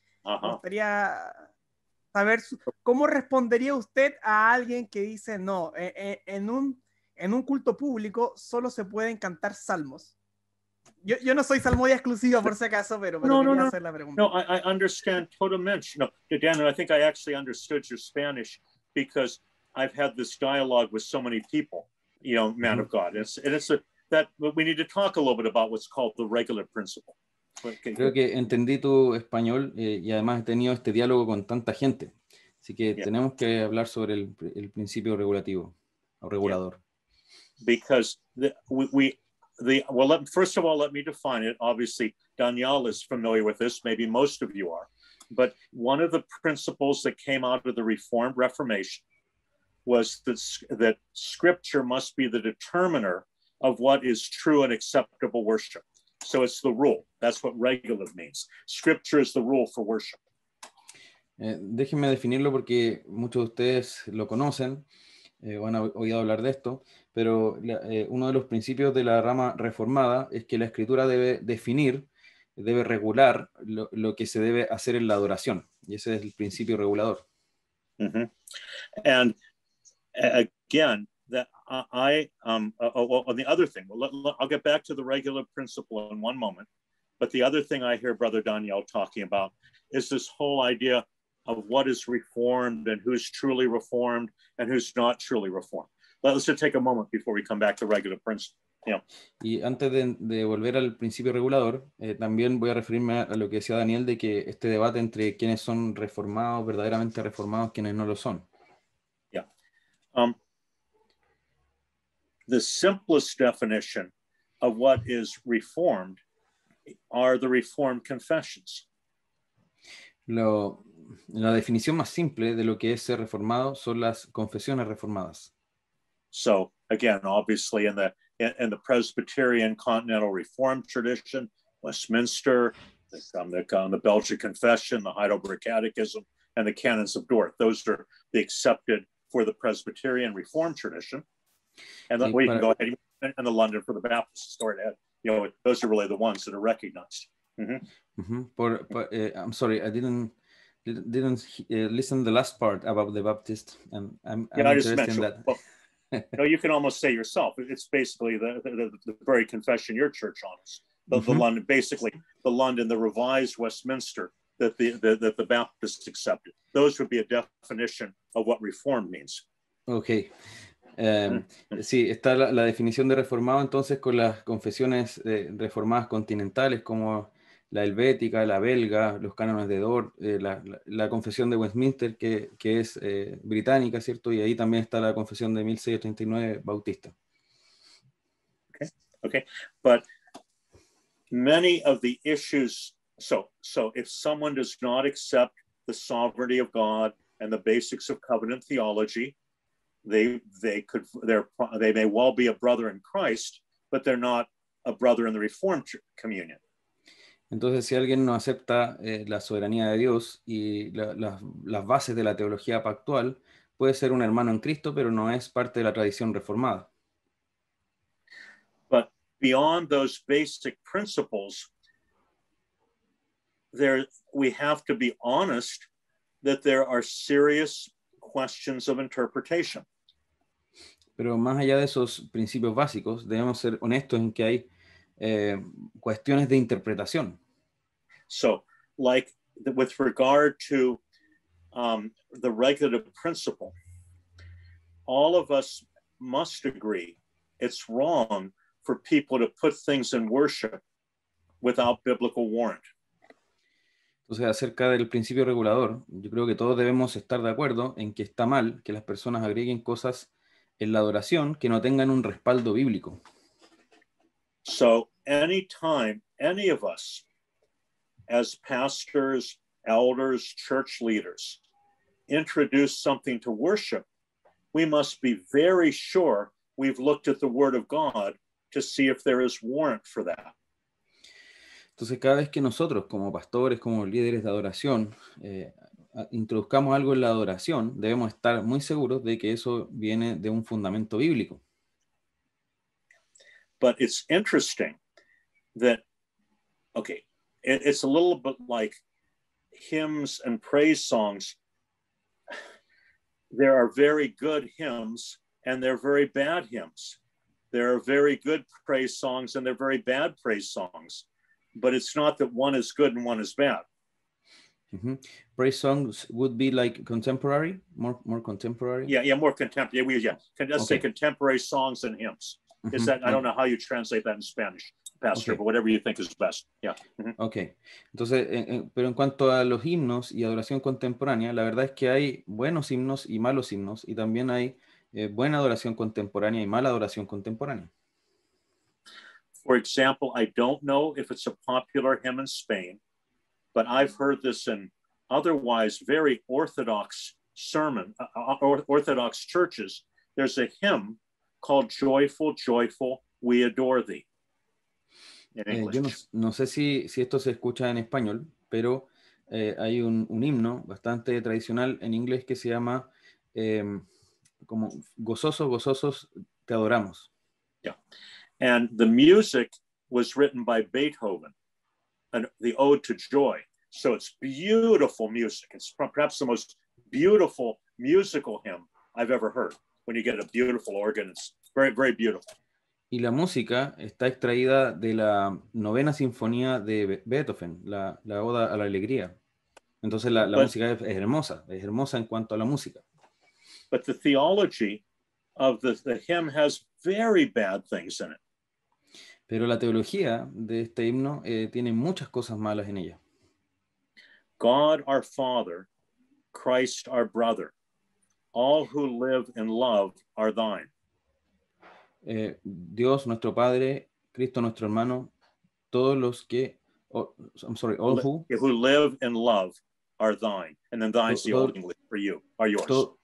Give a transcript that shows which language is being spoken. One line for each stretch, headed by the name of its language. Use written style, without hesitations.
Spanish: Uh-huh. Me gustaría saber, ¿cómo respondería usted a alguien que dice no, en un culto público solo se pueden cantar salmos? Yo no soy salmodia exclusiva, por si acaso, pero quería hacer la pregunta.
English: No, I understand totalmente. No, Daniel, I think I actually understood your Spanish because I've had this dialogue with so many people, you know, man of God. But we need to talk a little bit about what's called the regular principle.
Spanish: Creo que entendí tu español y además he tenido este diálogo con tanta gente. Así que tenemos que hablar sobre el principio regulativo o regulador.
English: Because first of all, let me define it. Obviously, Daniel is familiar with this. Maybe most of you are. But one of the principles that came out of the Reformation was that scripture must be the determiner of what is true and acceptable worship. So it's the rule. That's what regular means. Scripture is the rule for worship.
Spanish: Déjenme definirlo porque muchos de ustedes lo conocen, o han oído hablar de esto, pero uno de los principios de la rama reformada es que la escritura debe definir, debe regular lo que se debe hacer en la adoración. Y ese es el principio regulador. Mm-hmm.
English: And again, I'll get back to the regular principle in one moment, but the other thing I hear Brother Daniel talking about is this whole idea of what is reformed and who's truly reformed and who's not truly reformed. Let's just take a moment before we come back to regular principle. Yeah.
Spanish: Y antes de volver al principio regulador, también voy a referirme a lo que decía Daniel de que este debate entre quienes son reformados, verdaderamente reformados, quienes no lo son.
English: Yeah. The simplest definition of what is reformed are the reformed confessions.
Spanish: La definición más simple de lo que es ser reformado son las confesiones reformadas.
English: So, again, obviously in the Presbyterian Continental Reformed tradition, Westminster, the Belgian Confession, the Heidelberg Catechism, and the Canons of Dort, those are the accepted for the Presbyterian Reformed tradition. And then we can go ahead and the London for the Baptists, go ahead. You know, those are really the ones that are recognized. Mm-hmm. Mm-hmm. But I'm sorry, I didn't listen the last part about the Baptist, and I'm interested in that. Well, no, you can almost say yourself. It's basically the very confession your church honors, the London, basically the London, the Revised Westminster that the Baptists accepted. Those would be a definition of what reformed means. Okay.
Spanish: Sí, está la definición de reformado entonces con las confesiones reformadas continentales como la helvética, la belga, los cánones de Dort, la confesión de Westminster que es británica, ¿cierto? Y ahí también está la confesión de 1689 bautista.
English: Okay. But many of the issues So if someone does not accept the sovereignty of God and the basics of covenant theology, they may well be a brother in Christ, but they're not a brother in the Reformed communion.
Spanish: Entonces, si alguien no acepta la soberanía de Dios y las bases de la teología pactual, puede ser un hermano en Cristo, pero no es parte de la tradición reformada.
English: But beyond those basic principles, we have to be honest that there are serious questions of interpretation.
Spanish: Pero más allá de esos principios básicos, debemos ser honestos en que hay cuestiones de interpretación.
English: So, like with regard to the regulative principle, all of us must agree it's wrong for people to put things in worship without biblical warrant.
Spanish: Entonces, acerca del principio regulador, yo creo que todos debemos estar de acuerdo en que está mal que las personas agreguen cosas en la adoración que no tengan un respaldo bíblico.
English: So, anytime any of us, as pastors, elders, church leaders, introduce something to worship, we must be very sure we've looked at the Word of God to see if there is warrant for that.
Spanish: Entonces, cada vez que nosotros, como pastores, como líderes de adoración, introduzcamos algo en la adoración, debemos estar muy seguros de que eso viene de un fundamento bíblico.
English: But it's interesting that, okay, it's a little bit like hymns and praise songs. There are very good hymns and there are very bad hymns. There are very good praise songs and there are very bad praise songs. But it's not that one is good and one is bad. Mm-hmm. Praise songs would be like contemporary, more contemporary? Yeah, more contemporary. Say contemporary songs and hymns. Mm-hmm. Is that, I don't know how you translate that in Spanish. Pastor, okay. But whatever you think is best. Yeah. Mm-hmm. Okay.
Spanish: Entonces, pero en cuanto a los himnos y adoración contemporánea, la verdad es que hay buenos himnos y malos himnos, y también hay buena adoración contemporánea y mala adoración contemporánea.
English: For example, I don't know if it's a popular hymn in Spain, but I've heard this in otherwise very orthodox sermon, orthodox churches. There's a hymn called Joyful, Joyful, We Adore Thee.
Spanish: Yo no sé si esto se escucha en español, pero hay un himno bastante tradicional en inglés que se llama como Gozosos, Gozosos, Te Adoramos.
English: Yeah. And the music was written by Beethoven, the Ode to Joy. So it's beautiful music. It's perhaps the most beautiful musical hymn I've ever heard. When you get a beautiful organ, it's very, very beautiful.
Spanish: Y la música está extraída de la novena sinfonía de Beethoven, la Oda a la Alegría. Entonces la música es hermosa en cuanto a la música.
English: But the theology of the hymn has very bad things in it.
Spanish: Pero la teología de este himno tiene muchas cosas malas en ella.
English: God our Father, Christ our brother, all who live in love are thine.
Spanish: Dios nuestro Padre, Cristo nuestro hermano, todos los que, all
English: who live in love are thine, and then thine is the old English for you, are yours.